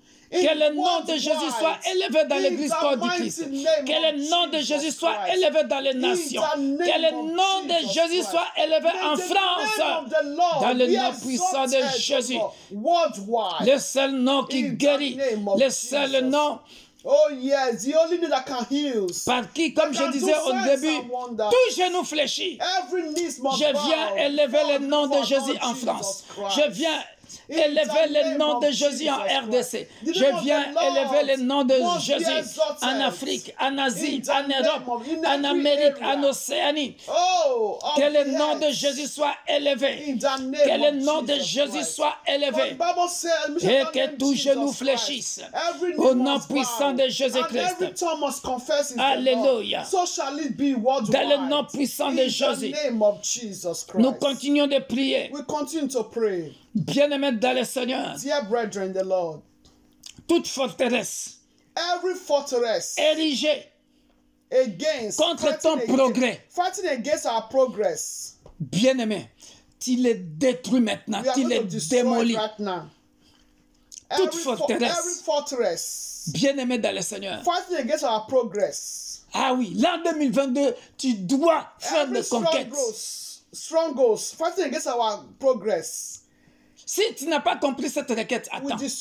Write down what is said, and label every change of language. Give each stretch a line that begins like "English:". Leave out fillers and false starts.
French: Que le nom de Jésus soit élevé dans l'Église corps du Christ. Que le nom de Jésus soit élevé dans les nations. Que le nom de Jésus soit élevé en France. Dans le nom puissant de Jésus. Le seul nom qui guérit. Le seul nom.
English: Oh yes, the only thing that can heal.
French: Par qui, comme je disais au début, tout genou fléchit. Je viens élever le nom de Jésus en France. Je viens élever le nom de Jésus en RDC. Je viens élever le nom de Jésus en Afrique, en Asie, en Europe, en Amérique, en Océanie. Que le nom de Jésus soit élevé. Que le nom de Jésus soit élevé. Et que tous genoux fléchissent au nom puissant de Jésus-Christ. Alléluia. Dans le nom puissant de Jésus. Nous continuons de prier. Bien-aimés dans le Seigneur.
English: Dear brethren, the Lord.
French: Toute forteresse.
English: Every fortress.
French: Érigée.
English: Against.
French: Contre ton progrès.
English: Fighting against our progress.
French: Bien-aimés, tu les détruis maintenant. Tu les démolis.
English: Right now.
French: Toute forteresse.
English: Every fortress.
French: Bien-aimés dans le Seigneur.
English: Fighting against our progress.
French: Ah oui, l'an 2022, tu dois faire des conquêtes.
English: Strongholds. Fighting against our progress.
French: Si tu n'as pas compris cette requête, attends.